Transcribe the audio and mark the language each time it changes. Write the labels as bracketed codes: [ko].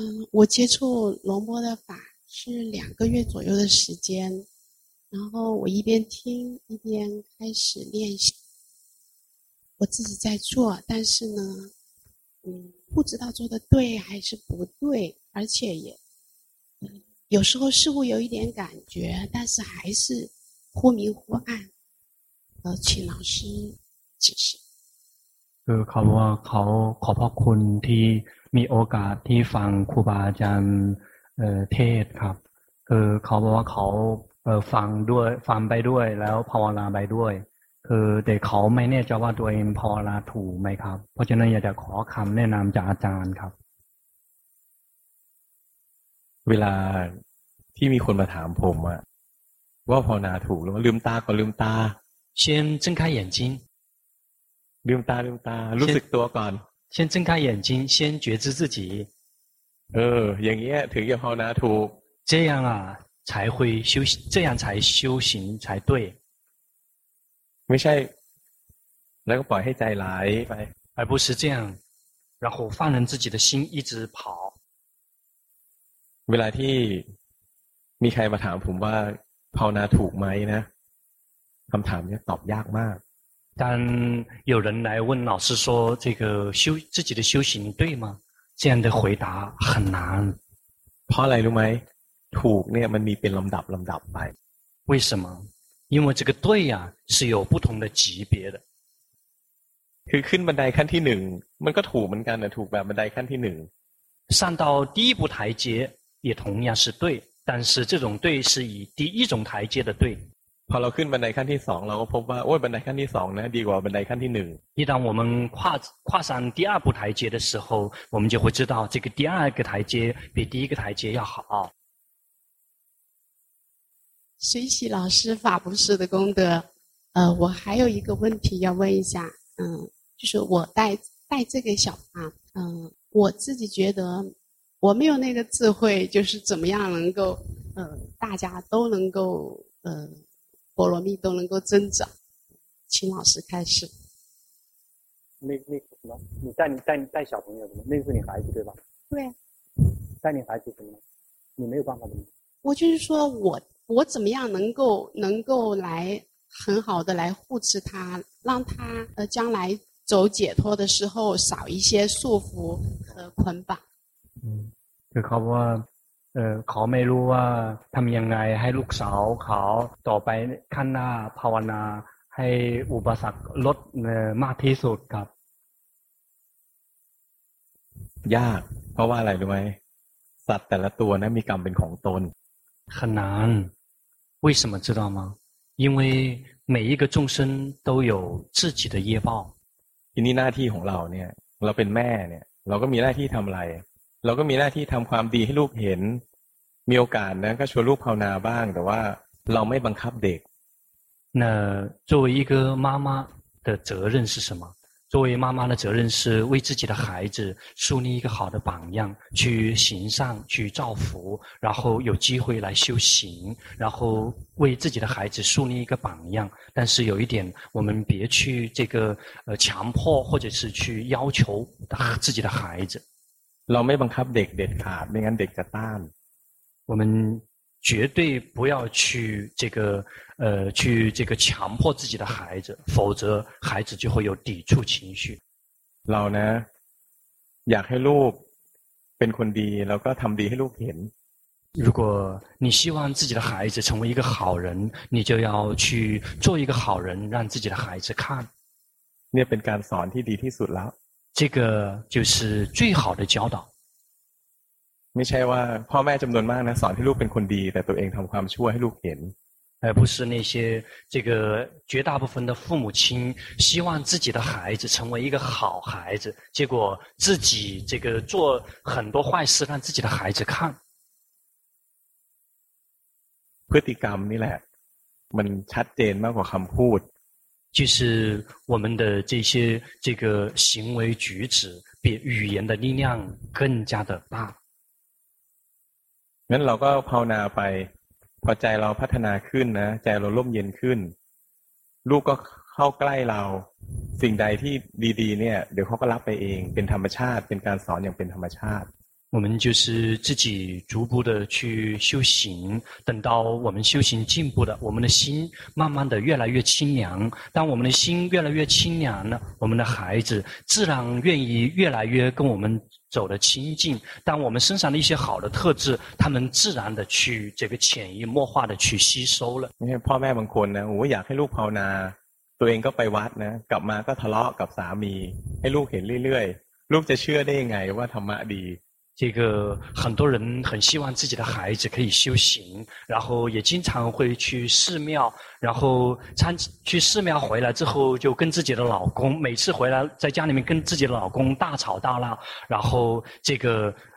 [zh] 我接触龙波的法是两个月左右的时间然后我一边听一边开始练习我自己在做但是呢不知道做的对还是不对而且也有时候似乎有一点感觉但是还是忽明忽暗请老师解释 [th] ขอบคุณที่มีโอกาสที่ฟังครูบาอาจารย์เทศครับเขาบอกว่าเขาฟังด้วยฟังไปด้วยแล้วภาวนาไปด้วยแต่เขาไม่แน่ใจว่าตัวเองพอลาถูกไหมครับเพราะฉะนั้นอยากจะขอคำแนะนำจากอาจารย์ครับ เวลาที่มีคนมาถามผมอะเ ว่าภาวนาถูกแล้วลืมตาก่อนลืมตา [zh] 先睁开眼睛 [th] ลืมตาลืมตารู้สึกตัวก่อน [zh] 先睁开眼睛先觉知自己 [th] อย่างเงี้ยถึงจะภาวนาถูก [zh] 这样啊才会修行这样才修行才对 [th] ไม่ใช่แล้วก็ปล่อยให้ใจไหลไป [zh] 而不是这样然后放任自己的心一直跑 [th] เวลาที่มีใครมาถามผมว่าภาวนาถูกไหมนะคำถามนี้ตอบยากมาก [zh] 当有人来问老师说这个修自己的修行对吗这样的回答很难 [th] เพราะอะไรรู้ไหมถูกเนี่ยมันมีเป็นลำดับลำดับไป [zh] 为什么因为这个对呀是有不同的级别的 [th] คือขึ้นบันไดขั้นที่หนึ่งมันก็ถูกเหมือนกันนะถูกแบบบันไดขั้นที่หนึ่ง [zh] 上到第一步台阶也同样是对但是这种对是以第一种台阶的对 [th] พอเราขึ้นบันไดขั้นที่สองเราก็พบว่าโอ้ยบันไดขั้นที่สองนะดีกว่าบันไดขั้นที่หนึ่ง [zh] 一旦我们跨上第二步台阶的时候我们就会知道这个第二个台阶比第一个台阶要好随喜老师法布施的功德我还有一个问题要问一下就是我带这个小孩我自己觉得我没有那个智慧就是怎么样能够大家都能够波罗蜜都能够增长请老师开始那什么你带小朋友什么那是你孩子对吧对带你孩子什么你没有办法的我就是说我怎么样能够来很好的来护持他让他将来走解脱的时候少一些束缚和捆绑 [th] คือเขาว่าขอไม่รู้ว่าทำยังไงให้ลูกสาวเขาต่อไปขั้นหน้าภาวนาให้อุปสรรคลดมากที่สุดครับ ยากเพราะว่าอะไรรู้ไหมสัตว์แต่ละตัวนะมีกรรมเป็นของตน [zh] 很难为什么知道吗因为每一个众生都有自己的业报 [th] ทีนี้หน้าที่ของเราเนี่ยเราเป็นแม่เนี่ยเราก็มีหน้าที่ทำอะไรเราก็มีหน้าที่ทำความดีให้ลูกเห็นมีโอกาสนะก็ชวนลูกภาวนาบ้างแต่ว่าเราไม่บังคับเด็ก [zh] 那作为一个妈妈的责任是什么作为妈妈的责任是为自己的孩子树立一个好的榜样去行善去造福然后有机会来修行然后为自己的孩子树立一个榜样但是有一点我们别去这个强迫或者是去要求自己的孩子 [th] เราไม่บังคับเด็กเด็ดขาดไม่งั้นเด็กจะต้าน [zh] 我们绝对不要去这个去这个强迫自己的孩子否则孩子就会有抵触情绪 [th] เรานะอยากให้ลูกเป็นคนดีแล้วก็ทำดีให้ลูกเห็น [zh] 如果你希望自己的孩子成为一个好人你就要去做一个好人让自己的孩子看 [th] เนี่ยเป็นการสอนที่ดีที่สุดแล้ว [zh] 这个就是最好的教导 [th] ไม่ใช่ว่าพ่อแม่จำนวนมากนะสอนให้ลูกเป็นคนดีแต่ตัวเองทำความชั่วให้ลูกเห็น [zh] 而不是那些这个绝大部分的父母亲希望自己的孩子成为一个好孩子结果自己这个做很多坏事让自己的孩子看 [th] พฤติกรรมนี่แหละมันชัดเจนมากกว่าคำพูด [zh] 就是我们的这些这个行为举止比语言的力量更加的大 [th] งั้นเราก็ภาวนาไปพอใจเราพัฒนาขึ้นนะใจเราร่มเย็นขึ้นลูกก็เข้าใกล้เราสิ่งใดที่ดีๆเนี่ยเดี๋ยวเขาก็รับไปเองเป็นธรรมชาติเป็นการสอนอย่างเป็นธรรมชาติ [zh] 我们就是自己逐步的去修行等到我们修行进步的我们的心慢慢的越来越清凉当我们的心越来越清凉了我们的孩子自然愿意越来越跟我们走得亲近当我们身上的一些好的特质他们自然的去这个潜移默化的去吸收了因为 [th] พ่อแม่บางคนนะโอ้อยากให้ลูกภาวนาตัวเองก็ไปวัดนะกลับมาก็ทะเลาะกับสามีให้ลูกเห็นเรื่อยๆลูกจะเชื่อได้ยังไงว่าธรรมะดี [zh] 这个很多人很希望自己的孩子可以修行然后也经常会去寺庙然后去寺庙回来之后就跟自己的老公每次回来在家里面跟自己的老公大吵大闹然后这个